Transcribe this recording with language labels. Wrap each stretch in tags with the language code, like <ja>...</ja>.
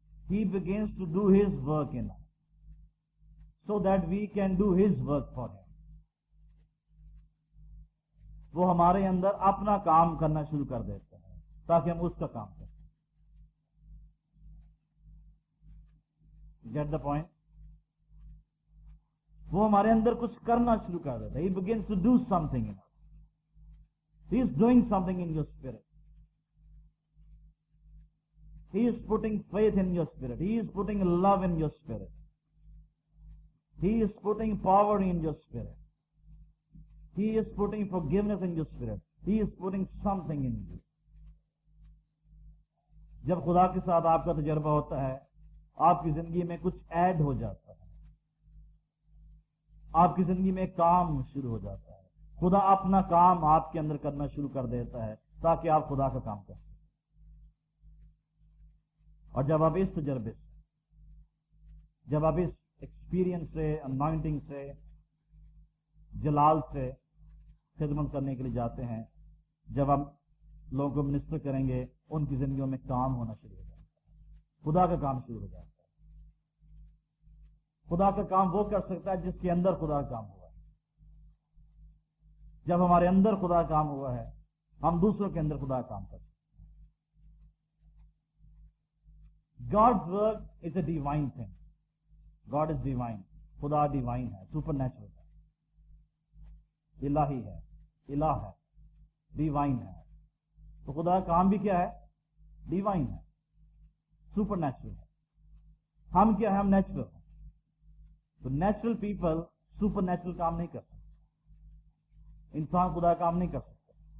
<en>He begins to do his work in us so that we can do his work for him.</en> <ur>وہ ہمارے اندر اپنا کام کرنا شروع کر دیتا ہے تاکہ ہم اس کا کام کریں.</ur> <en>Get the point?</en> <ur>وہ ہمارے اندر کچھ کرنا شروع کر دیتا ہے.</ur> <en>He begins to do something in, he is doing something in your spirit, he is putting faith in your spirit, he is putting love in your spirit, he is putting power in your spirit, he is putting forgiveness in your spirit, he is putting something in you.</en> <ur>جب خدا کے ساتھ آپ کا تجربہ ہوتا ہے آپ کی زندگی میں کچھ ایڈ ہو جاتا ہے, آپ کی زندگی میں کام شروع ہو جاتا ہے. خدا اپنا کام آپ کے اندر کرنا شروع کر دیتا ہے تاکہ آپ خدا کا کام کر سکیں. اور جب آپ اس تجربے سے, جب آپ اس ایکسپیرینس سے, انوائنٹنگ سے, جلال سے خدمت کرنے کے لیے جاتے ہیں, جب ہم لوگوں کو منسٹر کریں گے ان کی زندگیوں میں کام ہونا شروع ہو جاتا ہے, خدا کا کام شروع ہو جاتا ہے. خدا کا کام وہ کر سکتا ہے جس کے اندر خدا کا کام ہو. جب ہمارے اندر خدا کام ہوا ہے ہم دوسروں کے اندر خدا کام کرتے ہیں.</ur> <en>God's work is a divine thing. God is divine.</en> <ur>خدا ڈیوائن ہے, سپر نیچرل ہے, الہی ہے, الہ ہے, ڈیوائن ہے. تو خدا کام بھی کیا ہے؟ ڈیوائن ہے, سپر نیچرل ہے. ہم کیا ہے؟ ہم نیچرل ہیں. تو نیچرل پیپل سپر نیچرل کام نہیں کرتے, انسان خدا کام نہیں کر سکتا.</ur>